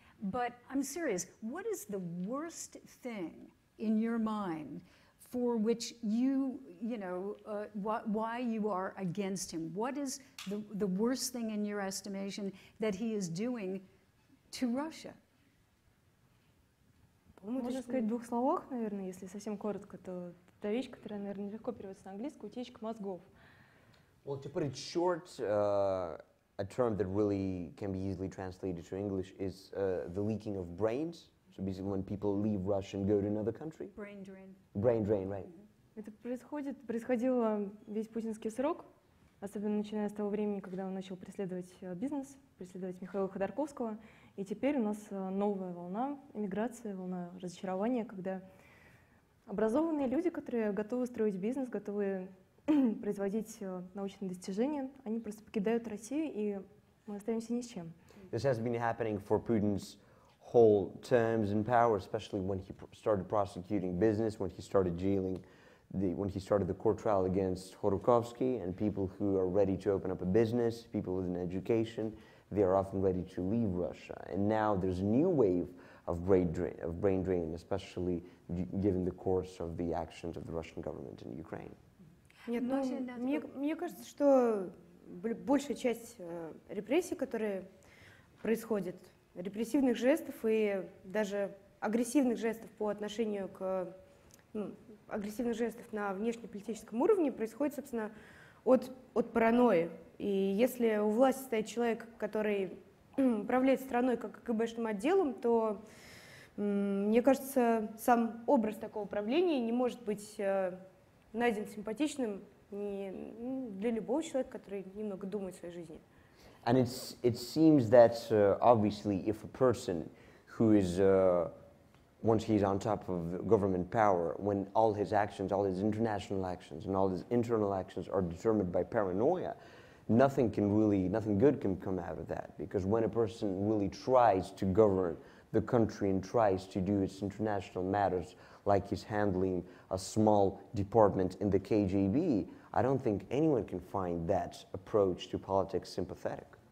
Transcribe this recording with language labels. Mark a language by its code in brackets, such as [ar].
[en] But I'm serious, what is the worst thing in your mind for which you, you know, why you are against him? What is the worst thing in your estimation that he is doing to Russia? [ru] Можно сказать в двух словах, наверное, если совсем коротко, то та вещь, которая, наверное, легко переводится на английский, утечка мозгов. [en] Well, to put it short, a term that really can be easily translated to English is the leaking of brains. So basically when people leave Russia and go to another country. Brain drain. Brain drain, right. Mm-hmm. [ru] Это происходило весь путинский срок, особенно начиная с того времени, когда он начал преследовать бизнес, преследовать Михаила Ходорковского. И теперь у нас новая волна эмиграции, волна разочарования, когда образованные люди, которые готовы строить бизнес, готовы производить научные достижения, они просто покидают Россию, и мы остаемся ни с чем. [en] This has been happening for Putin's whole terms in power, especially when he started prosecuting business, when he started jailing, when he started the court trial against Khodorkovsky, and people who are ready to open up a business, people with an education, they are often ready to leave Russia. And now there's a new wave of brain drain, especially given the course of the actions of the Russian government in Ukraine. [ru] Нет, ну, мне кажется, что большая часть репрессий, которые происходят, репрессивных жестов и даже агрессивных жестов по отношению к агрессивных жестов на внешнеполитическом уровне происходит, собственно, от паранойи. И если у власти стоит человек, который управляет страной как КГБшным отделом, то, мне кажется, сам образ такого правления не может быть найден симпатичным ни для любого человека, который немного думает о своей жизни. [en] And it seems that obviously if a person who is once he's on top of government power, when all his actions, all his international actions and all his internal actions are determined by paranoia, nothing good can come out of that, because when a person really tries to govern the country and tries to do its international matters like he's handling a small department in the KGB, I don't think anyone can find that approach to politics sympathetic.